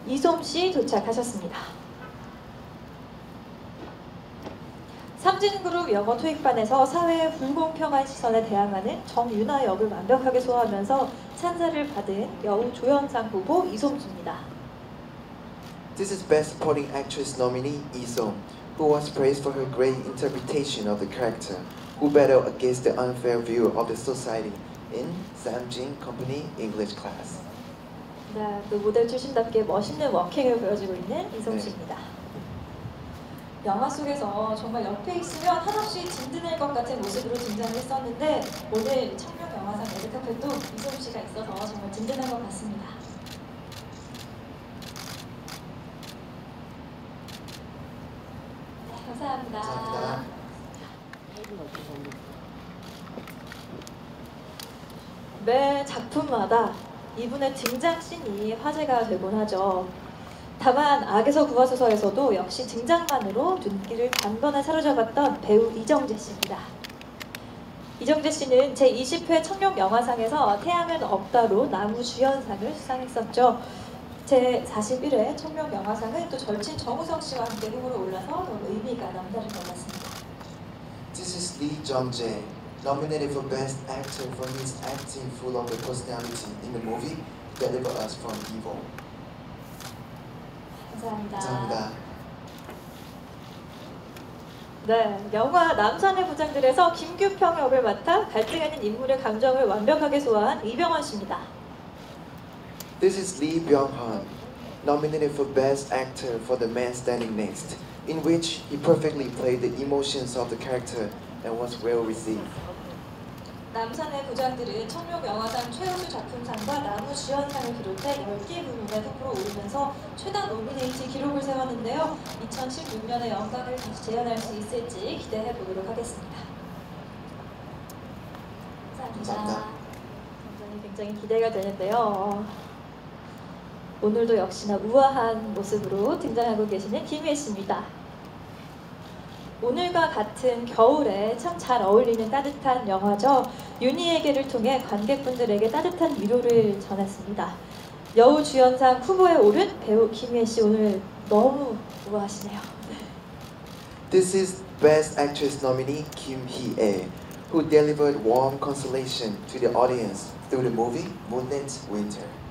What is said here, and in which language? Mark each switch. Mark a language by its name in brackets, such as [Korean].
[Korean] 이솜 씨 도착하셨습니다. 삼진그룹 영어 토익반에서 사회의 불공평한 시선에 대항하는 정윤아 역을 완벽하게 소화하면서 찬사를 받은 여우 조연상 후보 이솜 씨입니다. [English] This is Best Supporting Actress nominee 이솜, who was praised for her great interpretation of the character who battled against the unfair view of the society in Samjin Company English Class. [Korean] 그 모델 출신답게 멋있는 워킹을 보여주고 있는 이솜 씨입니다. 영화 속에서 정말 옆에 있으면 한없이 든든할 것 같은 모습으로 등장했었는데 오늘 청룡 영화상 레드카펫도 이솜 씨가 있어서 정말 든든한 것 같습니다. 네, 감사합니다. 감사합니다. 매 작품마다 이분의 등장씬이 화제가 되곤 하죠. 다만 악에서 구하소서에서도 역시 등장만으로 눈길을 단번에 사로잡았던 배우 이정재 씨입니다. 이정재 씨는 제20회 청룡 영화상에서 태양은 없다로 남우 주연상을 수상했었죠. 제41회 청룡 영화상은 또 절친 정우성 씨와 함께 후보로 올라서 너무 의미가 남다른 것 같습니다. [English] This is Lee Jeong-jae, nominated for Best Actor for his acting full of the personality in the movie Deliver Us from Evil. [Korean] 감사합니다. 감사합니다. 네, 영화 남산의 부장들에서 김규평 역을 맡아 갈등하는 인물의 감정을 완벽하게 소화한 이병헌 씨입니다. [English] This is Lee Byung-hun, nominated for Best Actor for The Man Standing Next, in which he perfectly played the emotions of the character and was well received. [Korean] 남산의 부장들은 청룡 영화상 최우수 작품상과 남우 주연상을 비롯해 10개 부문의 후보로 오르면서 최다 노미네이트 기록을 세웠는데요. 2016년의 영광을 다시 재현할 수 있을지 기대해 보도록 하겠습니다. 감사합니다. 굉장히 기대가 되는데요. 오늘도 역시나 우아한 모습으로 등장하고 계시는 김혜 씨입니다. 오늘과 같은 겨울에 참 잘 어울리는 따뜻한 영화죠. 윤희에게를 통해 관객분들에게 따뜻한 위로를 전했습니다. 여우 주연상 후보에 오른 배우 김혜 씨 오늘 너무 우아하시네요. [English] This is Best Actress nominee Kim Hee-ae, who who delivered warm consolation to the audience through the movie Moonlit Winter.